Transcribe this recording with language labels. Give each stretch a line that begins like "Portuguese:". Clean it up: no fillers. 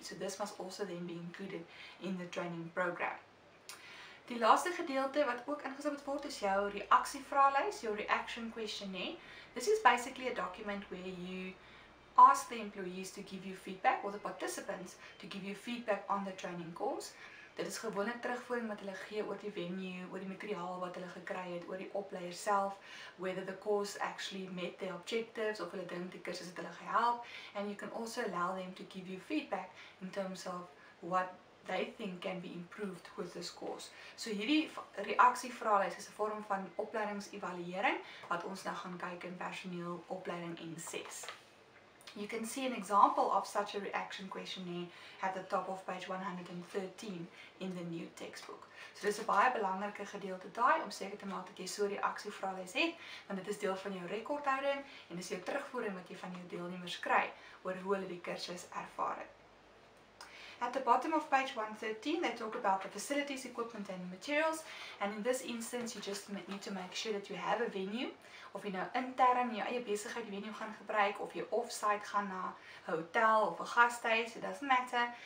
English: So this must also then be included in the training program.
Afrikaans: Die laaste gedeelte wat ook ingesluit moet word is jou reaksievraelys,
English: your reaction questionnaire. This is basically a document where you ask the employees to give you feedback, or the participants to give you feedback on the training course.
Afrikaans: Dit is gewone terugvoering wat hulle gee oor die venue, oor die materiaal wat hulle gekry het, oor die opleier self,
English: whether the course actually met their objectives,
Afrikaans: of hulle dink die kursus het hulle gehelp.
English: And you can also allow them to give you feedback in terms of what they think can be improved with this course.
Afrikaans: So hierdie reaksievraelys is 'n vorm van opleidingsevaluering wat ons nou gaan kyk in personeelopleiding N6.
English: You can see an example of such a reaction questionnaire at the top of page 113 in the new textbook.
Afrikaans: So dis 'n baie belangrike gedeelte daai om seker te maak dat jy so 'n reaksievraelys het, want dit is deel van jou rekordhouding en dis jou terugvoering wat jy van jou deelnemers kry oor hoe hulle die kursus ervaar het.
English: At the bottom of page 113, they talk about the facilities, equipment and materials. And in this instance, you just need to make sure that you have a venue.
Afrikaans: Of jy nou intern in jou eie besigheid venue gaan gebruik, of jy off-site gaan na 'n hotel of 'n gasthuis,
English: it doesn't matter.